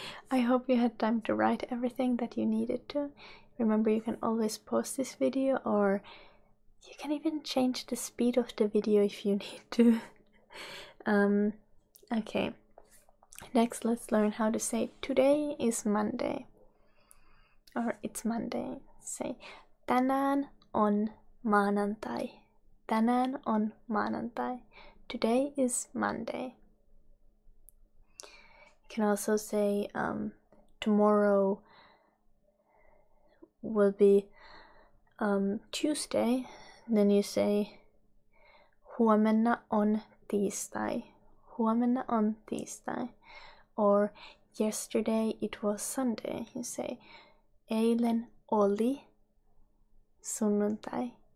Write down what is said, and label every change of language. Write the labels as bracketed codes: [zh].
[en] I hope you had time to write everything that you needed to. Remember, you can always pause this video, or you can even change the speed of the video if you need to. Okay. Next, let's learn how to say today is Monday. Or it's Monday. Say [fi] tänään on maanantai. Tänään on maanantai. [en] today is Monday. You can also say tomorrow will be Tuesday. Then you say [fi] huomenna on tiistai. Huomenna on tiistai. [en] Or yesterday it was Sunday. You say [fi] eilen oli sunnuntai.